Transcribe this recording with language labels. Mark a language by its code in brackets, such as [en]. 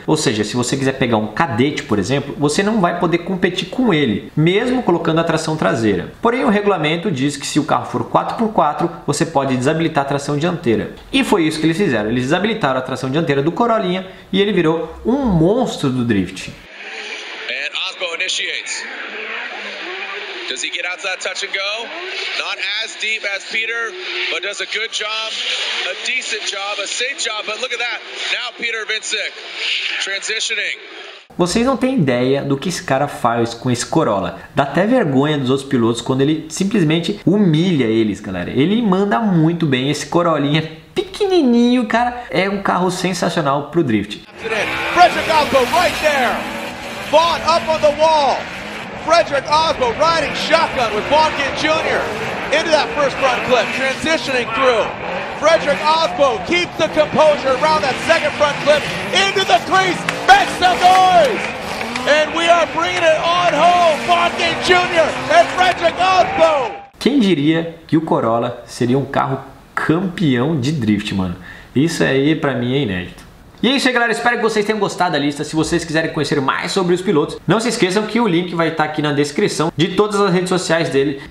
[pt] Ou seja, se você quiser pegar um Kadett, por exemplo, você não vai poder competir com ele, mesmo colocando a tração traseira. Porém, o regulamento diz que se o carro for 4x4, você pode desabilitar a tração dianteira. E foi isso que eles fizeram, eles desabilitaram a tração dianteira do Corolinha e ele virou um monstro do Drift. [en] And Osborne initiates. Does he get out to that touch and go? Not as deep as Peter, but does a good job, a decent job, a safe job. But look at that. Now Peter Vincic transitioning. [pt] Vocês não têm ideia do que esse cara faz com esse Corolla. Dá até vergonha dos outros pilotos quando ele simplesmente humilha eles, galera. Ele manda muito bem esse Corolinha pequenininho, cara. É um carro sensacional pro drift. [en] Frederick Osborne right there. Bought up on the wall. Frederick Osborne riding shotgun with Bonkin Jr. into that first front clip, transitioning through. Frederick Osborne keeps the composure around that second front clip, into the crease, makes some noise! And we are bringing it on home, Bonkin Jr. and Frederick Osborne! [pt] Quem diria que o Corolla seria um carro campeão de drift, mano? Isso aí pra mim é inédito. E é isso aí, galera, espero que vocês tenham gostado da lista. Se vocês quiserem conhecer mais sobre os pilotos, não se esqueçam que o link vai estar aqui na descrição de todas as redes sociais dele.